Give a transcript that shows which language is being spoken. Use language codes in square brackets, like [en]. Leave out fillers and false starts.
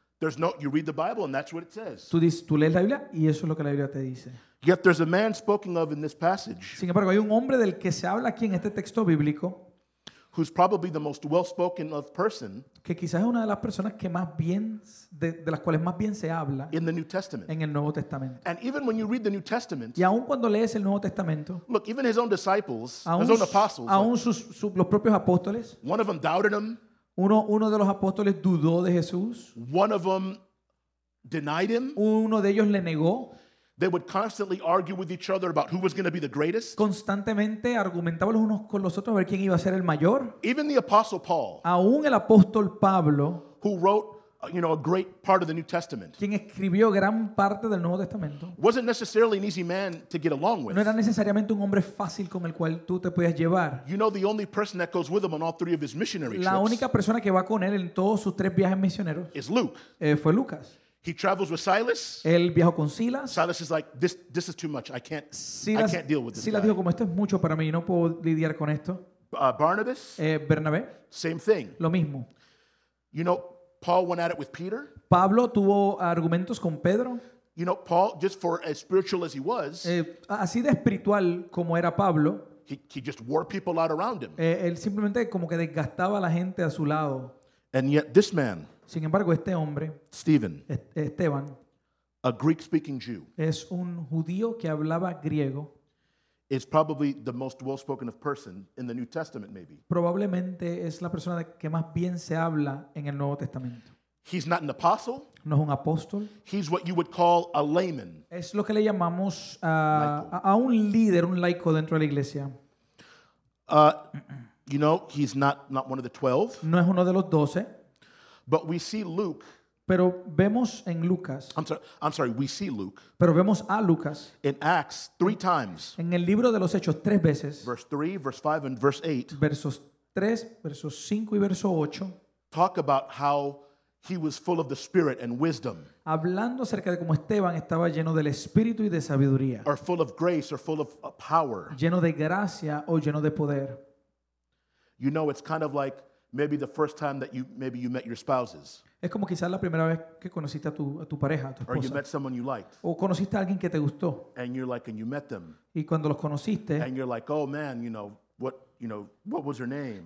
[en] There's no, you read the Bible and that's what it says. [es] Tú lees la Biblia y eso es lo que la Biblia te dice. [en] Yet there's a man spoken of in this passage. [es] Sin embargo, hay un hombre del que se habla aquí en este texto bíblico. [en] Who's probably the most well-spoken of person? [es] Que quizás es una de las personas que más bien de las cuales más bien se habla [en] in the New Testament. [es] En el Nuevo Testamento. [en] And even when you read the New Testament, [es] y aun cuando lees el Nuevo Testamento, [en] look, even his own disciples, his own apostles, [es] aun los propios apóstoles, [en] one of them doubted him. [es] Uno de los apóstoles dudó de Jesús. [en] One of them denied him. [es] Uno de ellos le negó. [en] They would constantly argue with each other about who was going to be the greatest. [es] Constantemente argumentaban los unos con los otros a ver quién iba a ser el mayor. [en] Even the apostle Paul. [es] Aún el apóstol Pablo, [en] who wrote, you know, a great part of the New Testament. [es] Quien escribió gran parte del Nuevo Testamento. [en] Wasn't necessarily an easy man to get along with. [es] No era necesariamente un hombre fácil con el cual tú te podías llevar. [en] You know, the only person that goes with him on all three of his missionary trips. [es] La única persona que va con él en todos sus tres viajes misioneros. [en] Is Luke. [es] Fue Lucas. [en] He travels with Silas. [es] Él viajó con Silas. [en] Silas is like, this is too much. I can't deal with this. [es] Silas dijo, como esto es mucho para mí, no puedo lidiar con esto. [en] Barnabas. [es] Bernabé. [en] Same thing. [es] Lo mismo. [en] You know, Paul went at it with Peter. [es] Pablo tuvo argumentos con Pedro. [en] You know, Paul, just for as spiritual as he was. [es] Así de espiritual como era Pablo. [en] He just wore people out around him. [es] Él simplemente como que desgastaba a la gente a su lado. [en] And yet this man. [es] Sin embargo, este hombre, [en] Stephen, [es] Esteban, [en] a Greek-speaking Jew, [es] es un judío que hablaba griego, [en] is probably the most well-spoken of person in the New Testament, maybe. [es] Probablemente es la persona que más bien se habla en el Nuevo Testamento. [en] He's not an apostle. [es] No es un apóstol. [en] He's what you would call a layman. [es] Es lo que le llamamos a un líder, un laico dentro de la iglesia. [en] You know, he's not one of the 12. [es] No es uno de los 12. [en] But we see Luke. [es] Pero vemos en Lucas. [en] I'm sorry. We see Luke. [es] Pero vemos a Lucas. [en] In Acts, three times. [es] En el libro de los Hechos, tres veces. [en] Verse 3, verse 5, and verse 8. [es] Versos 3, versos 5 y verso 8. [en] Talk about how he was full of the Spirit and wisdom. [es] Hablando acerca de cómo Esteban estaba lleno del Espíritu y de sabiduría. [en] Or full of grace, or full of power. [es] Lleno de gracia o lleno de poder. [en] You know, it's kind of like maybe the first time that you met your spouses. [es] Es como quizás la primera vez que conociste a tu pareja, a tu esposa. [en] Or you met someone you liked. [es] O conociste a alguien que te gustó. [en] And you're like, and you met them. [es] Y cuando los conociste. [en] And you're like, oh man, what was her name?